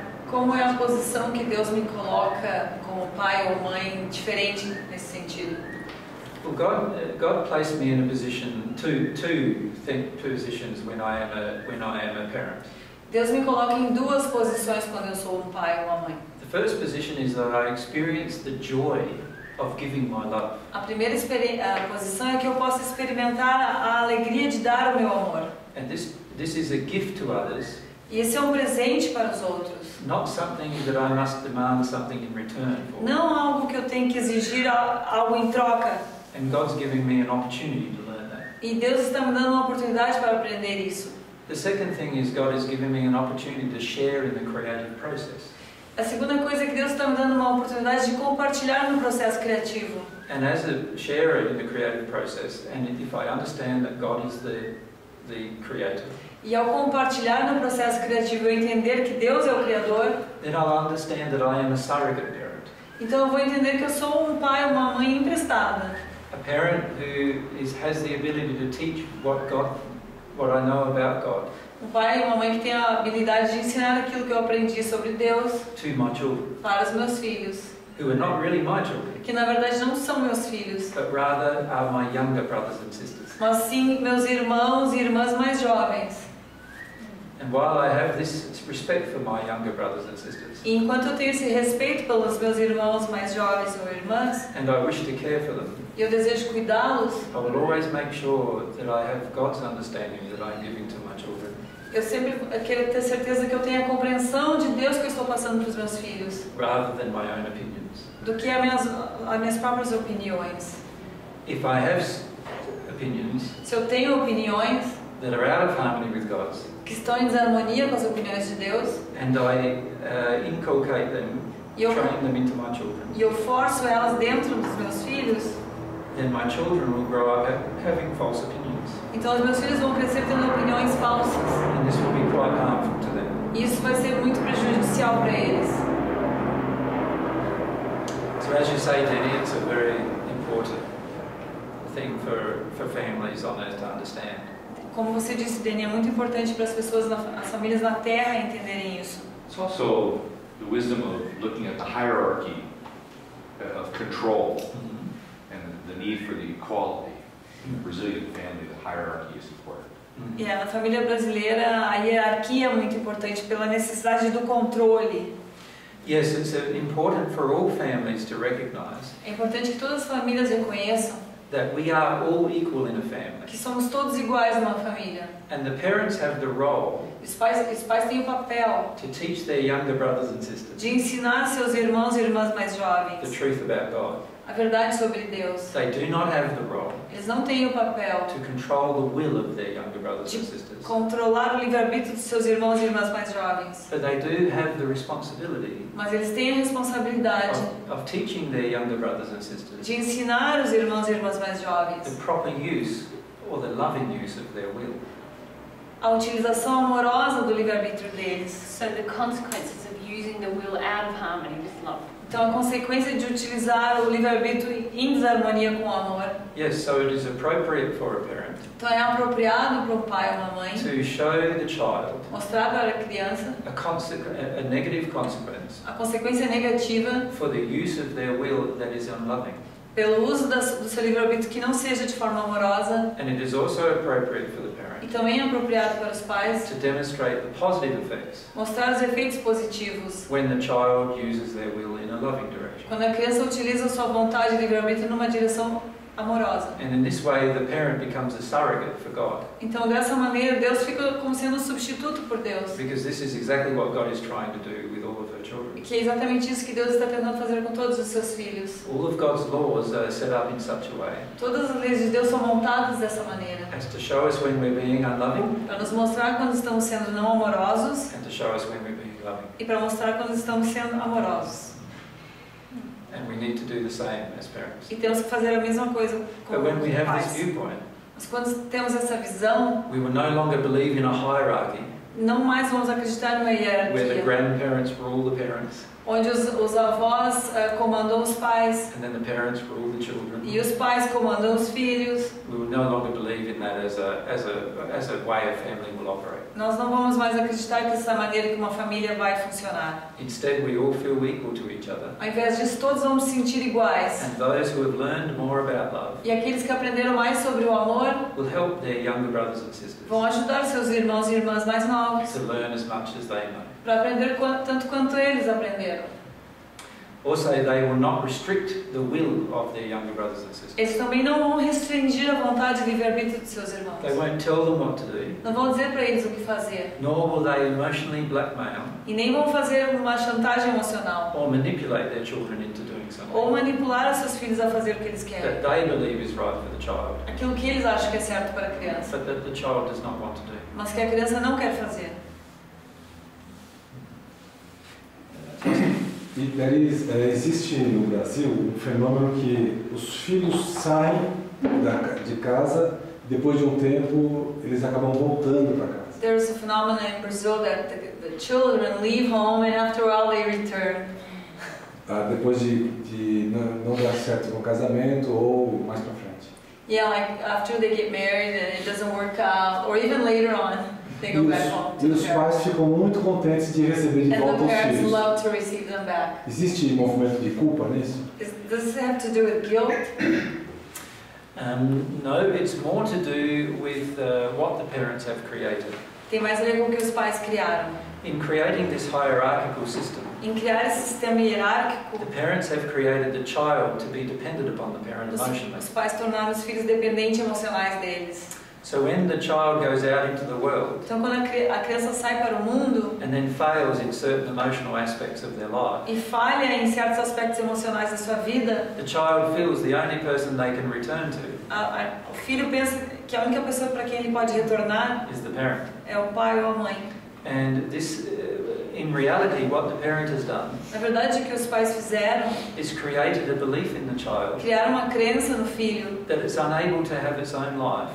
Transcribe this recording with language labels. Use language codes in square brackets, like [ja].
[pt] Como é a posição que Deus me coloca como pai ou mãe diferente nesse sentido? [en] Well, God placed me in a position two positions when I am a parent. [pt] Deus me coloca em duas posições quando eu sou um pai ou uma mãe. [en] The first position is that I experience the joy of giving my love. [pt] A primeira posição é que eu posso experimentar a alegria de dar o meu amor. [en] And this is a gift to others. [pt] E esse é um presente para os outros. [en] Not something that I must demand something in return for. [pt] Não algo que eu tenho que exigir algo em troca. [en] And God's giving me an opportunity to learn that. [pt] E Deus está me dando uma oportunidade para aprender isso. [en] The second thing is God is giving me an opportunity to share in the creative process. [pt] A segunda coisa é que Deus está me dando uma oportunidade de compartilhar no processo criativo. [en] And as a sharer in the creative process, and if I understand that God is the creator. [pt] E ao compartilhar no processo criativo, eu entender que Deus é o criador. [en] Then I'll understand that I am a surrogate parent. [pt] Então eu vou entender que eu sou um pai ou uma mãe emprestada. [en] A parent who has the ability to teach what I know about God. [pt] Um pai e uma mãe que tem a habilidade de ensinar aquilo que eu aprendi sobre Deus. [en] To my children. [pt] Para os meus filhos. [en] Who are not really my children. [pt] Que na verdade não são meus filhos. [en] But rather are my younger brothers and sisters. [pt] Mas sim meus irmãos e irmãs mais jovens. [en] And while I have this respect for my younger brothers and sisters. [pt] E enquanto eu tenho esse respeito pelos meus irmãos mais jovens ou irmãs. [en] And I wish to care for them. [pt] E eu desejo cuidá-los. [en] I will always make sure that I have God's understanding that I'm giving to my children. [pt] Eu sempre quero ter certeza que eu tenho a compreensão de Deus que eu estou passando para os meus filhos. [en] Rather than my own opinions. [pt] Do que as minhas próprias opiniões. [en] If I have opinions. [pt] Se eu tenho opiniões. [en] That are out of harmony with God's. [pt] Que estão em desarmonia com as opiniões de Deus. [en] And I inculcate them, train them into my children. [pt] E eu forço elas dentro dos meus filhos. [en] Then my children will grow up having false opinions. [pt] Então os meus filhos vão crescer tendo opiniões falsas. [en] And this will be quite harmful to them. [pt] E isso vai ser muito prejudicial para eles. [en] So as you say, Jenny, it's a very important thing for families on earth to understand. [pt] Como você disse, Jenny, é muito importante para as pessoas, as famílias na Terra entenderem isso. [en] It's also the wisdom of looking at the hierarchy of control. The need for the equality in the Brazilian family, the hierarchy is important. [pt] Yeah, na família brasileira a hierarquia é muito importante pela necessidade do controle. [en] Yes, it's important for all families to recognize. [pt] É importante que todas as famílias reconheçam [en] that we are all equal in a family. [pt] Que somos todos iguais numa família. [en] And the parents have the role. [pt] Os pais têm o papel [en] to teach their younger brothers and sisters. [pt] De ensinar seus irmãos e irmãs mais jovens. [en] The truth about God. [pt] A verdade sobre Deus. [en] They do not have the role. [pt] Eles não têm o papel [en] to control the will of their younger brothers and sisters. [pt] Controlar o livre-arbítrio dos seus irmãos e irmãs mais jovens. [en] But they do have the responsibility. [pt] Mas eles têm a responsabilidade [en] of teaching their younger brothers and sisters. [pt] De ensinar os irmãos e irmãs mais jovens. [en] The proper use or the loving use of their will. [pt] A utilização amorosa do livre-arbítrio deles. [en] So the consequences of using the will out of harmony with love. [pt] Então a consequência de utilizar o livre-arbítrio em desarmonia com o amor. [en] Yes, so it is appropriate for a parent. [pt] Então é apropriado para o pai ou a mãe. [en] To show the child. [pt] Mostrar para a criança. [en] A negative consequence. [pt] A consequência negativa. [en] For the use of their will that is unloving. [pt] Pelo uso do seu livre-arbítrio que não seja de forma amorosa. [en] And it is also appropriate for the parent. [pt] E também é apropriado para os pais. [en] To demonstrate the positive effects. [pt] Mostrar os efeitos positivos. [en] When the child uses their will in a loving direction. [pt] Quando a criança utiliza sua vontade livremente numa direção amorosa. [en] And in this way, the parent becomes a surrogate for God. [pt] Então dessa maneira Deus fica como sendo um substituto por Deus. [en] Because this is exactly what God is trying to do with all of her children. [pt] E que é exatamente isso que Deus está tentando fazer com todos os seus filhos. [en] All of God's laws are set up in such a way. [pt] Todas as leis de Deus são montadas dessa maneira. [en] As to show us when we're being unloving. [pt] Para nos mostrar quando estamos sendo não amorosos. [en] And to show us when we're being loving. [pt] E para mostrar quando estamos sendo amorosos. [en] And we need to do the same as parents. [pt] E temos que fazer a mesma coisa como [en] but when [pt] como [en] we have [pt] pais. [en] This viewpoint, [pt] mas quando temos essa visão, [en] we will no longer believe in a hierarchy. [pt] não mais vamos acreditar na hierarquia. [en] Where the grandparents rule the parents. [pt] Onde os avós comandam os pais. [en] And then the parents rule the children. [pt] E os pais comandam os filhos. [en] We will no longer believe in that as a way a family will operate. [pt] Nós não vamos mais acreditar que essa maneira que uma família vai funcionar. [en] Instead, we all feel equal to each other. [pt] Ao invés disso, todos vamos sentir iguais. [en] And those who have learned more about love. [pt] E aqueles que aprenderam mais sobre o amor. [en] Will help their younger brothers and sisters. [pt] Vão ajudar seus irmãos e irmãs mais novos. [en] To learn as much as they know. [pt] Para aprender tanto quanto eles aprenderam. [en] Also, they will not restrict the will of their younger brothers and sisters. [pt] Eles também não vão restringir a vontade de livre-arbítrio de seus irmãos. [en] They won't tell them what to do. [pt] Não vão dizer para eles o que fazer. [en] Nor will they emotionally blackmail. [pt] E nem vão fazer uma chantagem emocional. [en] Or manipulate their children into doing something. [pt] Ou manipular os seus filhos a fazer o que eles querem. [en] That they believe is right for the child. [pt] Aquilo que eles acham que é certo para a criança. [en] But that the child does not want to do. [pt] Mas que a criança não quer fazer. E daí existe no Brasil um fenômeno que os filhos saem de casa, depois de um tempo eles acabam voltando para casa. [en] There is a phenomenon in Brazil that the children leave home and after all they return. [pt] Depois de não dar certo com o casamento ou mais para frente. [en] Yeah, like after they get married and it doesn't work out, or even later on. [pt] E os pais ficam muito contentes de receber de volta os filhos. Existe um movimento de culpa nisso? [en] Does it have to do with guilt? No, it's more to do with what the parents have created. [pt] Tem mais a ver com o que os pais criaram. [en] In creating this hierarchical system. [pt] Em criar esse sistema hierárquico. [en] The parents have created the child to be dependent upon the parent emotionally. [pt] Os pais tornaram os filhos dependentes emocionais deles. [en] So when the child goes out into the world, [pt] então, quando a criança sai para o mundo, [en] and then fails in certain emotional aspects of their life, [pt] e falha em certos aspectos emocionais da sua vida, [en] the child feels the only person they can return to. [pt] O filho pensa que a única pessoa para quem ele pode retornar [en] is the parent. [pt] É o pai ou a mãe. [en] And this, in reality, what the parent has done, [pt] na verdade, o que os pais fizeram, [en] is created a belief in the child, [pt] criar uma crença no filho, [en] that it's unable to have its own life,